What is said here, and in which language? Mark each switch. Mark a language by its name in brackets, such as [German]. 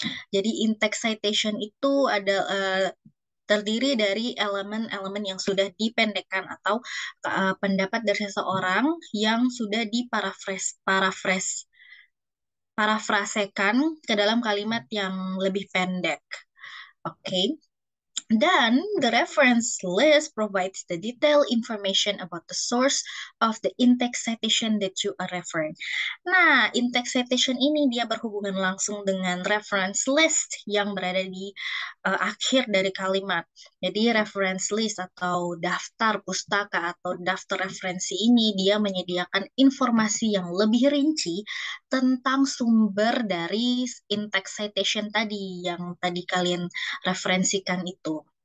[Indonesian] Jadi in-text citation itu ada terdiri dari elemen-elemen yang sudah dipendekkan atau pendapat dari seseorang yang sudah diparafrasekan ke dalam kalimat yang lebih pendek. Oke. Okay. [English] Dan the reference list provides the detailed information about the source of the in-text citation that you are referring. [Indonesian] Nah, in-text citation ini dia berhubungan langsung dengan reference list yang berada di akhir dari kalimat. Jadi reference list atau daftar pustaka atau daftar referensi ini dia menyediakan informasi yang lebih rinci tentang sumber dari in-text citation tadi yang tadi kalian referensikan itu.